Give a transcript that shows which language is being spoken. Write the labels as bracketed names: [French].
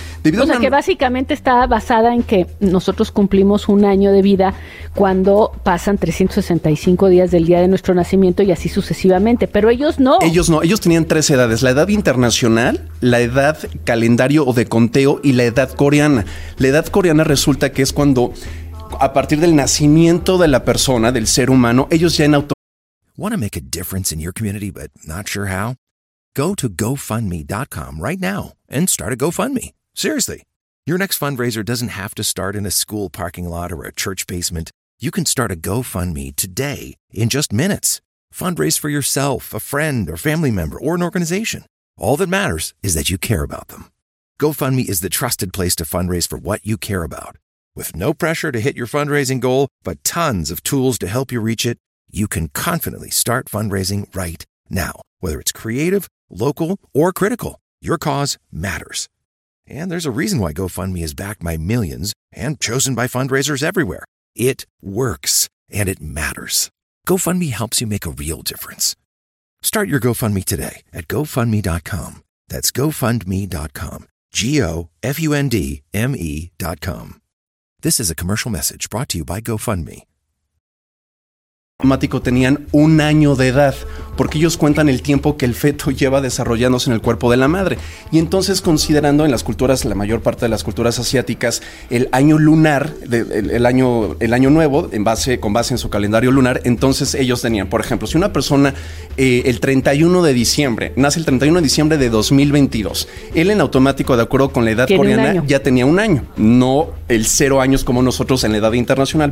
[Spanish] Debido que básicamente está basada en que nosotros cumplimos un año de vida cuando pasan 365 días del día de nuestro nacimiento y así sucesivamente, pero ellos no. Ellos no, ellos tenían tres edades, la edad internacional, la edad calendario o de conteo y la edad coreana. La edad coreana resulta que es cuando, a partir del nacimiento de la persona, del ser humano, ellos ya en auto. [English] Want to make a difference in your community, but not sure how? Go to GoFundMe.com right now and start a GoFundMe. Seriously, your next fundraiser doesn't have to start in a school parking lot or a church basement. You can start a GoFundMe today in just minutes. Fundraise for yourself, a friend, or family member, or an organization. All that matters is that you care about them. GoFundMe is the trusted place to fundraise for what you care about. With no pressure to hit your fundraising goal, but tons of tools to help you reach it, you can confidently start fundraising right now. Whether it's creative, local, or critical, your cause matters. And there's a reason why GoFundMe is backed by millions and chosen by fundraisers everywhere. It works, and it matters. GoFundMe helps you make a real difference. Start your GoFundMe today at GoFundMe.com. That's GoFundMe.com. GoFundMe.com. This is a commercial message brought to you by GoFundMe. [Spanish] Automático tenían un año de edad, porque ellos cuentan el tiempo que el feto lleva desarrollándose en el cuerpo de la madre. Y entonces, considerando en las culturas, la mayor parte de las culturas asiáticas, el año lunar, el año nuevo, con base en su calendario lunar, entonces ellos tenían, por ejemplo, si una persona el 31 de diciembre, nace el 31 de diciembre de 2022, él en automático, de acuerdo con la edad coreana, ya tenía un año, no el cero años como nosotros en la edad internacional.